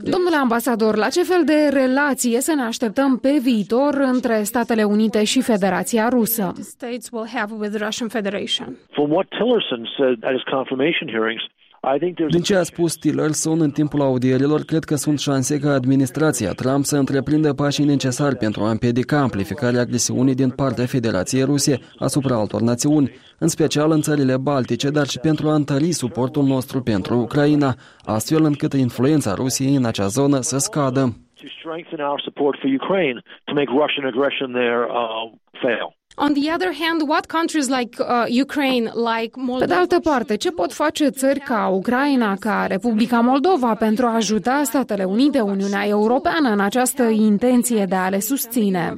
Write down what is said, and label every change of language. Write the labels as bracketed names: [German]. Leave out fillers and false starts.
[Romanian] Domnule ambasador, la ce fel de relație să ne așteptăm pe viitor între Statele Unite și Federația Rusă? [English] States will have with the Russian Federation. From what Tillerson said at his confirmation hearings, [Romanian] din ce a spus Tillerson în timpul audierilor, cred că sunt șanse ca administrația Trump să întreprindă pașii necesari pentru a împiedica amplificarea agresiunii din partea Federației Ruse asupra altor națiuni, în special în țările baltice, dar și pentru a întări suportul nostru pentru Ucraina, astfel încât influența Rusiei în acea zonă să scadă. [English] To strengthen our support for Ukraine, to make Russian aggression there fail. On the other hand, what countries like Ukraine, like Moldova? [Romanian] Pe de altă parte, ce pot face țări ca Ucraina, ca Republica Moldova pentru a ajuta Statele Unite, Uniunea Europeană în această intenție de a le susține?